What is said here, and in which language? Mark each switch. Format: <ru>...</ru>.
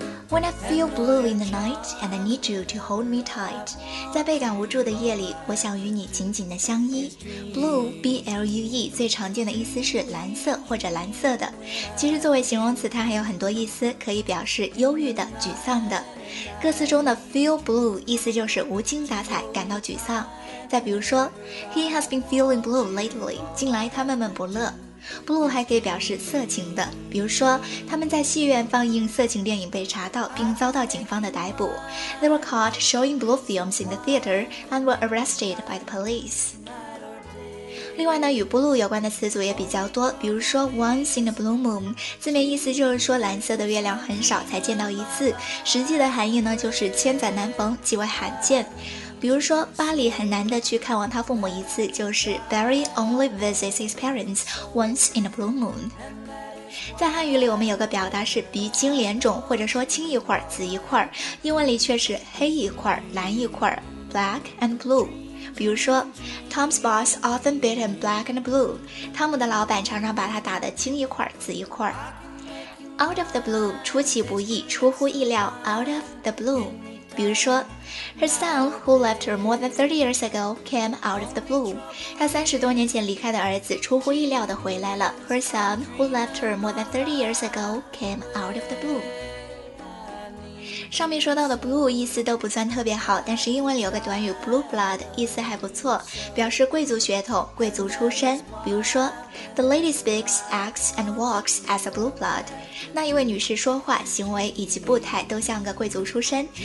<en>When I feel blue in the night and I need you to hold me tight.</en> <zh>在倍感无助的夜里，我想与你紧紧的相依。Blue, B-L-U-E, 最常见的意思是蓝色或者蓝色的。其实作为形容词，它还有很多意思，可以表示忧郁的、沮丧的。歌词中的 feel blue 意思就是无精打采，感到沮丧。</zh> <en>再</en> <zh>比如说</zh> <en>He has been feeling blue lately.</en> <zh>近来他闷闷不乐。 Blue 还可以表示色情的，比如说他们在戏院放映色情电影被查到并遭到警方的逮捕。</zh> <en>They were caught showing blue films in the theater and were arrested by the police.</en> <zh>另外呢，与 blue 有关的词组也比较多，比如说</zh> <en>once in a blue moon，</en> <zh>字面意思就是说蓝色的月亮很少才见到一次，实际的含义呢就是千载难逢，极为罕见。比如说巴里很难得去看望他父母一次，就是</zh> <en>Barry only visits his parents once in a blue moon。</en> <zh>在汉语里我们有个表达是鼻青脸肿，或者说青一块紫一块，英文里却是黑一块蓝一块，</zh> <en>black and blue。</en> <zh>比如说</zh> <en>Tom's boss often beat him black and blue，</en> <zh>汤姆的老板常常把他打得青一块紫一块。</zh> <en>Out of the blue，</en> <zh>出其不意，出乎意料，</zh> <en>out of the blue。</en> <zh>比如说</zh> <en>Her son who left her more than 30 years ago came out of the blue.</en> <zh>她三十多年前离开的儿子出乎意料地回来了。</zh> <en>Her son who left her more than 30 years ago came out of the blue.</en> <zh>上面说到的 blue 意思都不算特别好，但是英文里有个短语 blue blood 意思还不错，表示贵族血统、贵族出身。比如说</zh> <en>The lady speaks, acts and walks as a blue blood，</en> <zh>那一位女士说话、行为以及步态都像个贵族出身。</zh>